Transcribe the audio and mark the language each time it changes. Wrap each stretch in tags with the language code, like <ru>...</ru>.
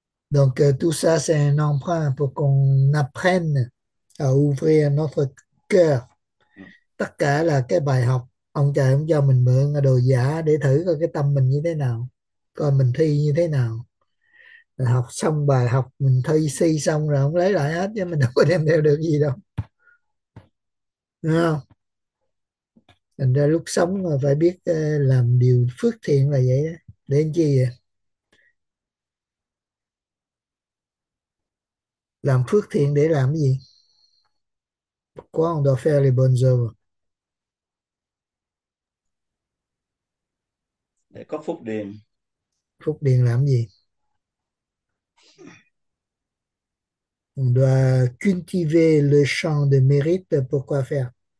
<fr>Donc tout ça c'est un emprunt pour qu'on apprenne à ouvrir notre cœur.</fr> <vi>Tất cả là cái bài học, ông trời ông cho mình mượn đồ giả để thử coi cái tâm mình như thế nào, coi mình thi như thế nào. Học xong bài học mình thi si xong rồi không lấy lại hết, chứ mình đâu có đem theo được gì đâu, không? Thành ra lúc sống mà phải biết làm điều phước thiện là vậy đó. Để làm chi vậy? Làm phước thiện để làm cái gì?</vi> <fr>Quoi on doit faire les bonnes œuvres?</fr> <vi>Để có phúc điền. Phúc điền làm cái gì?</vi> <fr>On doit cultiver le champ de mérite pour quoi faire?</fr>